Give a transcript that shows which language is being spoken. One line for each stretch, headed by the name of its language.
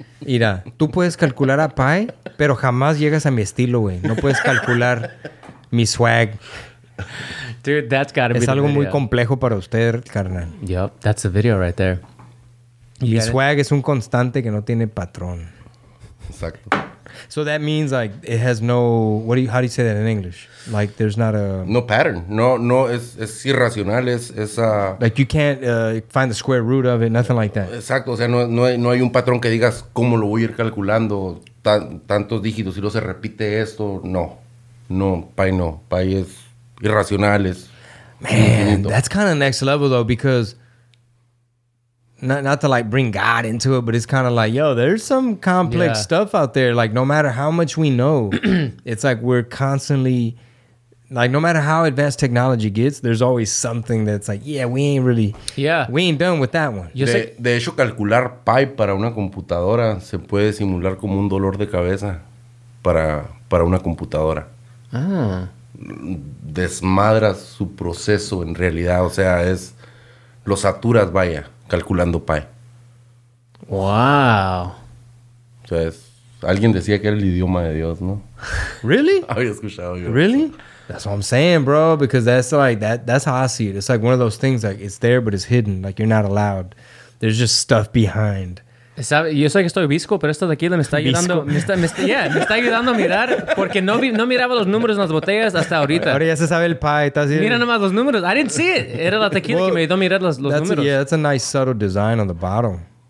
Spanish: Mira, tú puedes calcular a Pine, pero jamás llegas a mi estilo, güey. No puedes calcular mi swag.
English: Dude, that's gotta
Spanish: be. Es algo muy complejo para usted, carnal.
English: Yep, that's the video right there.
Spanish: Mi swag es un constante que no tiene patrón. Exacto.
English: So that means like it has no, how do you say that in English? Like there's not a... No pattern.
Spanish: No, es irracional, es a...
English: Like you can't find the square root of it, nothing like that.
Spanish: Exacto, o sea, no hay un patrón que digas cómo lo voy a ir calculando, tantos dígitos, si no se repite esto, no, pi. Pi es irracional, es...
English: Man, that's kind of next level though, because... Not to like bring God into it, but it's kind of like, yo, there's some complex stuff out there. Like, no matter how much we know, it's like we're constantly, like, no matter how advanced technology gets, there's always something that's like, we ain't done with that one.
Spanish: De hecho, calcular pi para una computadora se puede simular como un dolor de cabeza para una computadora. Ah. Desmadra su proceso en realidad. O sea, es, lo saturas, vaya. Calculando pi. Wow. O sea, alguien decía que era el idioma de Dios, ¿no?
English: Really?
Spanish: Había escuchado yo.
English: Really? That's what I'm saying, bro. Because that's how I see it. It's like one of those things, like it's there, but it's hidden. Like you're not allowed. There's just stuff behind.
Spanish: Yo sé que estoy visco, pero esto de aquí me está ayudando. Me está ayudando a mirar porque no miraba los números en las botellas hasta ahorita. Ahora ya se sabe el pie. Estás mira nomás los números.
English: I didn't see it.
Spanish: Era la tequila que me ayudó a mirar los números.
English: Yeah, that's a nice subtle design on the bottom.